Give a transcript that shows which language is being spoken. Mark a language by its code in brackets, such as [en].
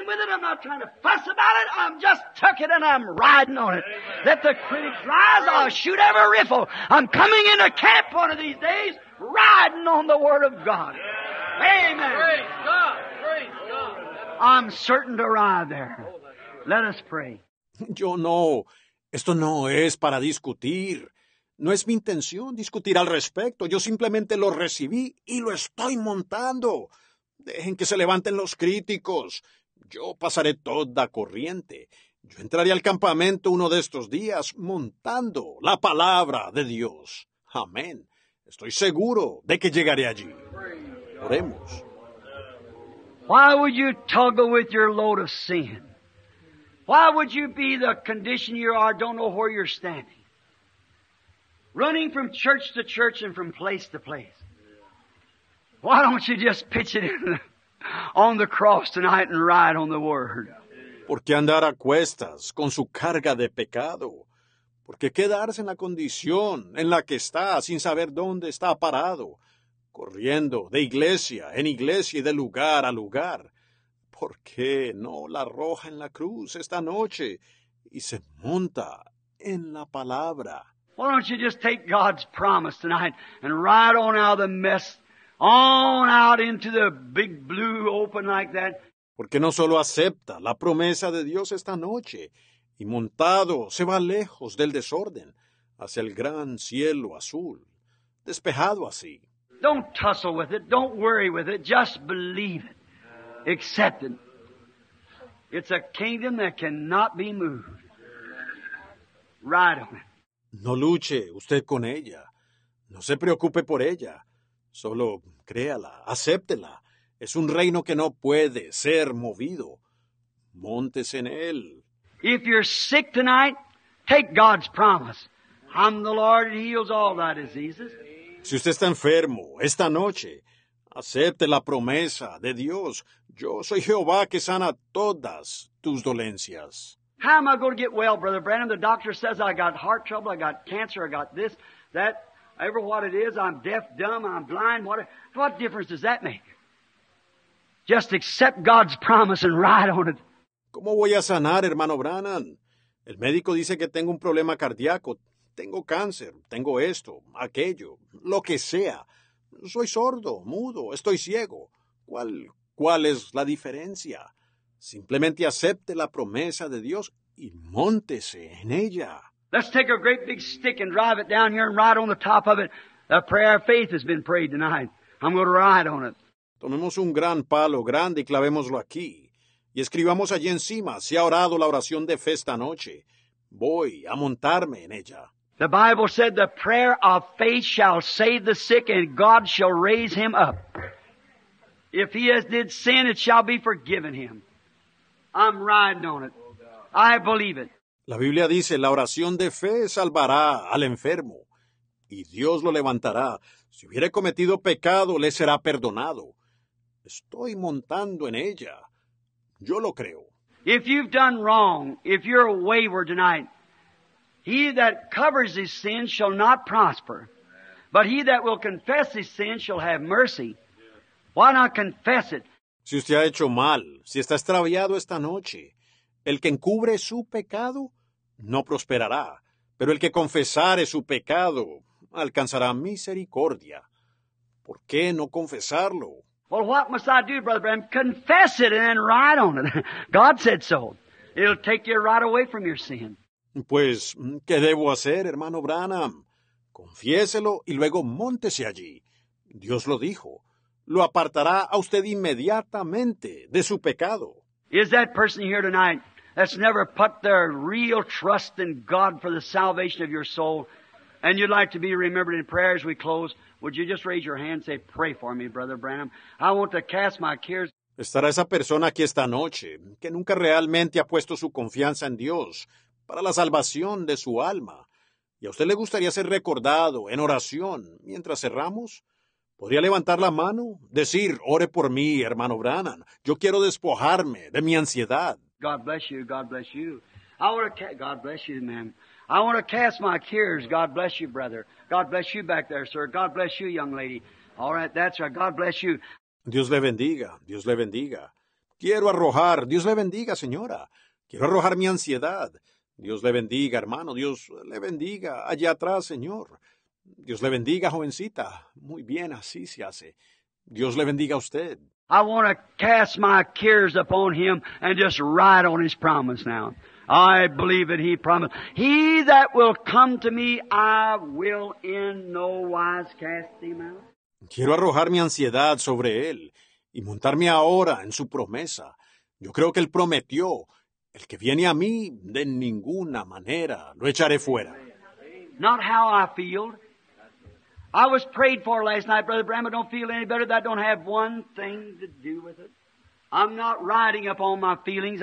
[en] I'm not fussing with it, I'm not trying to fuss about it, I'm just tucking and I'm riding on it. Let the critics rise, I'll shoot every riffle. I'm coming into camp one of these days, riding on the Word of God. Amen. Praise God, praise God. I'm certain to ride there. Let us pray. [es] Yo no, esto no es para discutir. No es mi intención discutir al respecto. Yo simplemente lo recibí y lo estoy montando. Dejen que se levanten los críticos. Yo pasaré toda corriente. Yo entraré al campamento uno de estos días montando la palabra de Dios. Amén. Estoy seguro de que llegaré allí. Oremos. [en] Why would you toggle with your load of sin? Why would you be the condition you are, don't know where you're standing? Running from church to church and from place to place. Why don't you just pitch it in on the cross tonight and ride on the Word? [es] ¿Por qué andar a cuestas con su carga de pecado? ¿Por qué quedarse en la condición en la que está sin saber dónde está parado? Corriendo de iglesia en iglesia y de lugar a lugar. ¿Por qué no la arroja en la cruz esta noche y se monta en la palabra? [en] Why don't you just take God's promise tonight and ride on out of the mess, on out into the big blue open like that? [es] ¿Por qué no solo acepta la promesa de Dios esta noche y montado se va lejos del desorden hacia el gran cielo azul, despejado así? [en] Don't tussle with it. Don't worry with it. Just believe it. Accept it. It's a kingdom that cannot be moved. Ride on it. [es] No luche usted con ella. No se preocupe por ella. Solo créala, acéptela. Es un reino que no puede ser movido. Móntese en él. [en] If you're sick tonight, take God's promise. I'm the Lord that heals all thy diseases. [es] Si usted está enfermo esta noche, acepte la promesa de Dios. Yo soy Jehová que sana todas tus dolencias. [en] How am I going to get well, Brother Branham? The doctor says I got heart trouble, I got cancer, I got this, that, ever what it is, I'm deaf, dumb, I'm blind. What difference does that make? Just accept God's promise and ride on it. [es] ¿Cómo voy a sanar, hermano Branham? El médico dice que tengo un problema cardíaco. Tengo cáncer, tengo esto, aquello, lo que sea. Soy sordo, mudo, estoy ciego. ¿Cuál es la diferencia? Simplemente acepte la promesa de Dios y móntese en ella. [en] Let's take a great big stick and drive it down here and ride on the top of it. A prayer of faith has been prayed tonight. I'm going to ride on it. [es] Tomemos un gran palo grande y clavémoslo aquí. Y escribamos allí encima, se ha orado la oración de fe esta noche. Voy a montarme en ella. [en] The Bible said the prayer of faith shall save the sick and God shall raise him up. If he has did sin, it shall be forgiven him. I'm riding on it. I believe it. [es] La Biblia dice, la oración de fe salvará al enfermo y Dios lo levantará. Si hubiere cometido pecado, le será perdonado. Estoy montando en ella. Yo lo creo. [en] If you've done wrong, if you're wayward tonight, he that covers his sin shall not prosper, but he that will confess his sin shall have mercy. Why not confess it? [es] Si usted ha hecho mal, si está extraviado esta noche, el que encubre su pecado no prosperará, pero el que confesare su pecado alcanzará misericordia. ¿Por qué no confesarlo? [en] Well, what must I do, Brother Branham? Confess it and then ride on it. God said so. It'll take you right away from your sin. [es] Pues, ¿qué debo hacer, hermano Branham? Confiéselo y luego móntese allí. Dios lo dijo. Lo apartará a usted inmediatamente de su pecado. [en] Is that person here tonight that's never put their real trust in God for the salvation of your soul, and you'd like to be remembered in prayer as we close, would you just raise your hand and say, pray for me, Brother Branham. I want to cast my cares. [es] ¿Estará esa persona aquí esta noche que nunca realmente ha puesto su confianza en Dios para la salvación de su alma? ¿Y a usted le gustaría ser recordado en oración mientras cerramos? ¿Podría levantar la mano? Decir, ore por mí, hermano Branham. Yo quiero despojarme de mi ansiedad. [en] God bless you, God bless you. God bless you, man. I want to cast my cares. God bless you, brother. God bless you back there, sir. God bless you, young lady. All right, that's right. God bless you. [es] Dios le bendiga. Dios le bendiga. Quiero arrojar. Dios le bendiga, señora. Quiero arrojar mi ansiedad. Dios le bendiga, hermano. Dios le bendiga. Allá atrás, señor. Dios le bendiga, jovencita. Muy bien, así se hace. Dios le bendiga a usted. [en] I want to cast my cares upon him and just ride on his promise now. I believe that he promised. He that will come to me, I will in no wise cast him out. [es] Quiero arrojar mi ansiedad sobre él y montarme ahora en su promesa. Yo creo que él prometió, el que viene a mí, de ninguna manera lo echaré fuera. [en] Not how I feel. I was prayed for last night, Brother Branham. Don't feel any better. That don't have one thing to do with it. I'm not riding upon my feelings.